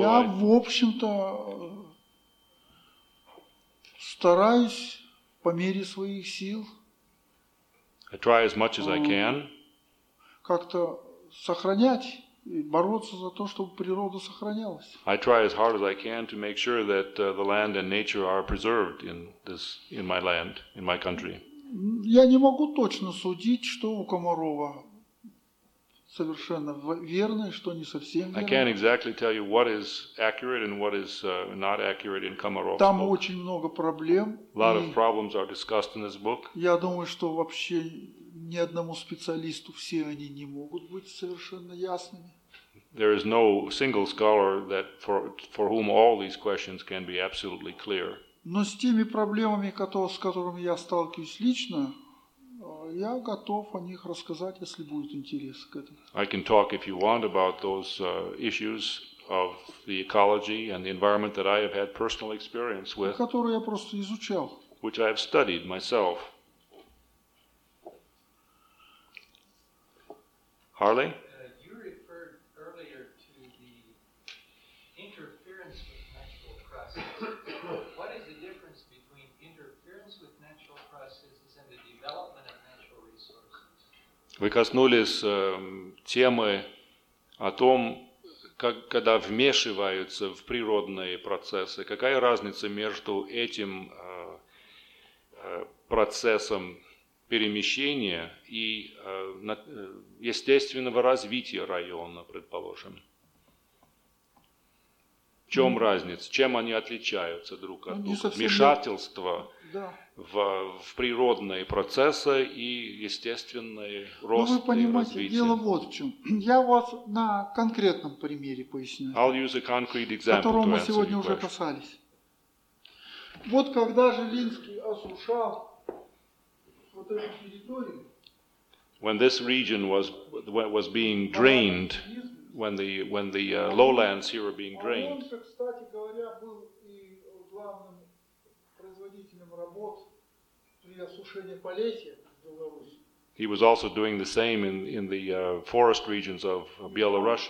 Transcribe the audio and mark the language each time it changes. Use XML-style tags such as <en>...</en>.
<ru>я,</ru> <en>right.</en> <ru>В общем-то, стараюсь по мере своих сил.</ru> <en>I try as much as I can.</en> <ru>Как-то сохранять. И бороться за то, чтобы природа сохранялась.</ru> <en>I try as hard as I can to make sure that the land and nature are preserved in my land, in my country.</en> <ru>Я не могу точно судить, что у Комарова совершенно верно, что не совсем верно.</ru> <en>I can't exactly tell you what is accurate and what is not accurate in Komarov's</en> <ru>Там</ru> <en>book.</en> <ru>Очень много проблем.</ru> <en>A lot of problems are discussed in this book.</en> <ru>Я думаю, что вообще ни одному специалисту все они не могут быть совершенно ясными.</ru> <en>There is no single scholar that for whom all these questions can be absolutely clear.</en> <ru>Но с теми проблемами, с которыми я сталкиваюсь лично, я готов о них рассказать, если будет интерес к этому.</ru> <en>I can talk if you want about those issues of the ecology and the environment that I have had personal experience with.</en> <ru>Которые я просто изучал.</ru> <en>Which I have studied myself. Harley? You referred earlier to the interference with natural processes. What is the difference between interference with natural processes and the development of natural resources?</en> <ru>Вы коснулись темы о том, как, когда вмешиваются в природные процессы. Какая разница между этим процессом перемещения и естественного развития района, предположим. В чем разница? Чем они отличаются друг от друга? Вмешательство в природные процессы и естественный рост и развитие. Ну, вы понимаете, дело вот в чем. Я вас на конкретном примере поясню, которого мы сегодня уже касались. Вот когда Жилинский осушал вот эту территорию,</ru> <en>when this region was being drained, when the lowlands here were being drained,</en> <ru>он, кстати говоря, был и главным производителем работ при осушении полесья в Беларуси.</ru> <en>He was also doing the same in the forest regions of Belarus.</en>